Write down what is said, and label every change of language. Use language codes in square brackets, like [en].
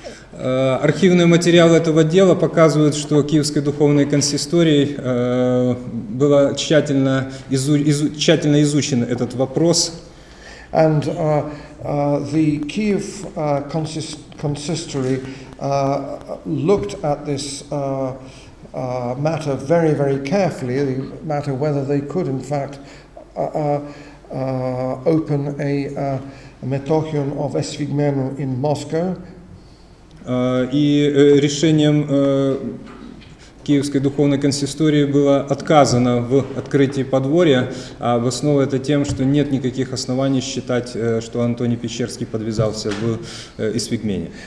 [ru] Архивные материалы этого дела показывают, что Киевской духовной консистории было тщательно тщательно изучен этот вопрос. [en] And the Kiev consistory looked at this matter very, very carefully, the matter whether they could in fact open a metochium of Svigmenu in Moscow. [ru] И решением Киевской духовной консистории было отказано в открытии подворья, а обосновано это тем, что нет никаких оснований считать, что Антоний Печерский подвязался в Свигмене.